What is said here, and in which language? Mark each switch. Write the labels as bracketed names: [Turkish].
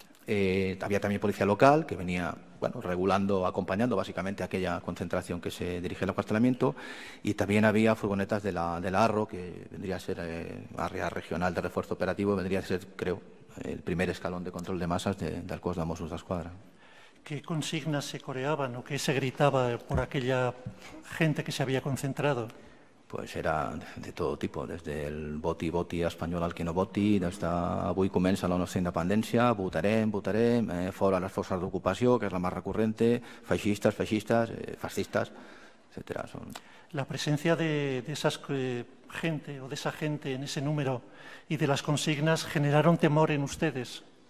[Spanish] Había también policía local que venía bueno, regulando, acompañando básicamente aquella concentración que se dirige al acuartelamiento y también había furgonetas de la ARRO, que vendría a ser área regional de refuerzo operativo, vendría a ser, creo, el primer escalón de control de masas del Cuerpo de Mossos de Escuadra. ¿Qué consignas se coreaban o qué se gritaba por aquella gente que se había concentrado? Pues era de todo tipo, desde el voti, voti, español al que no voti, hasta [Catalan] avui comença la nostra independència, votarem, votarem, fora les forces d'ocupació, [Spanish] que és la más recurrente, [Catalan] feixistes, feixistes, [Spanish] fascistes, etc. La presencia de esa gente o de esa gente en ese número y de las consignas generaron temor en ustedes.